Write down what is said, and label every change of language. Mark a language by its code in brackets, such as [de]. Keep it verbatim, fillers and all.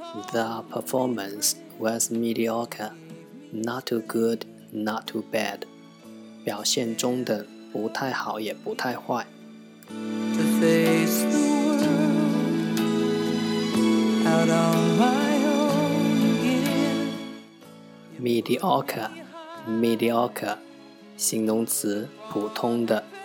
[en] The performance was mediocre, not too good, not too bad. [zh] 表现中等，不太好也不太坏。 [en] To face the world, out on my own again. Mediocre. [zh] mediocre 形容词普通的。